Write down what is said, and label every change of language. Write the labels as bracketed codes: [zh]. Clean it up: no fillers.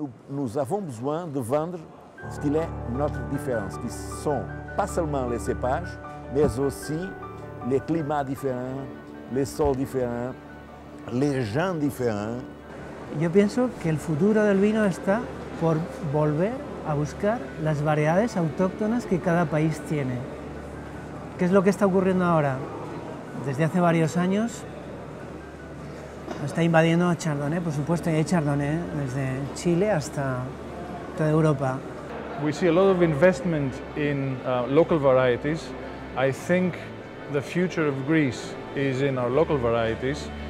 [fr] Nous avons besoin de vendre ce qu'il est notre différence, qui sont pas seulement les cépages, mais aussi les climats différents, les sols différents, les gens différents. [es] Yo pienso que el futuro del vino está por volver a buscar las variedades autóctonas que cada país tiene. ¿Qué es lo que está ocurriendo ahora? Desde hace varios años está invadiendo Chardonnay, por supuesto, y hay Chardonnay desde Chile hasta toda Europa. [en] We see a lot of investment in local varieties. I think the future of Greece is in our local varieties.